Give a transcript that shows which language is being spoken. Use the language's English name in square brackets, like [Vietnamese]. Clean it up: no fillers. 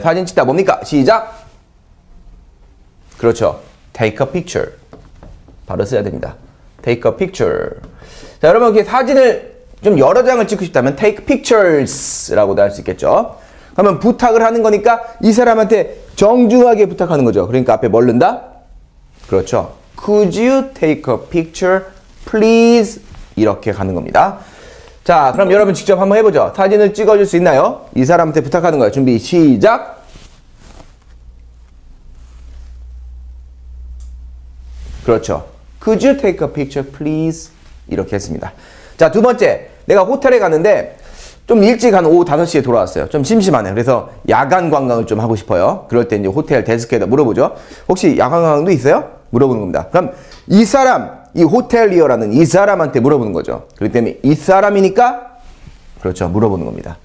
[Korean] 사진 찍다 뭡니까? 시작! 그렇죠. [English] take a picture. [Korean] 바로 써야 됩니다. take a picture. 자, 여러분 이렇게 사진을 좀 여러 장을 찍고 싶다면 take pictures 라고도 할 수 있겠죠. 그러면 부탁을 하는 거니까 이 사람한테 정중하게 부탁하는 거죠. 그러니까 앞에 뭘 넣는다? 그렇죠. [English] could you take a picture? [Korean] Please 이렇게 가는 겁니다. 자, 그럼 여러분 직접 한번 해보죠. 사진을 찍어줄 수 있나요? 이 사람한테 부탁하는 거예요. 준비 시작. 그렇죠. [English] Could you take a picture, please? [Korean] 이렇게 했습니다. 자, 두 번째. 내가 호텔에 갔는데 좀 일찍 한 오후 5시에 돌아왔어요. 좀 심심하네요. 그래서 야간 관광을 좀 하고 싶어요. 그럴 때 이제 호텔 데스크에다 물어보죠. 혹시 야간 관광도 있어요? 물어보는 겁니다. 그럼 이 사람 이 호텔리어라는 이 사람한테 물어보는 거죠. 그렇기 때문에 이 사람이니까 그렇죠. 물어보는 겁니다.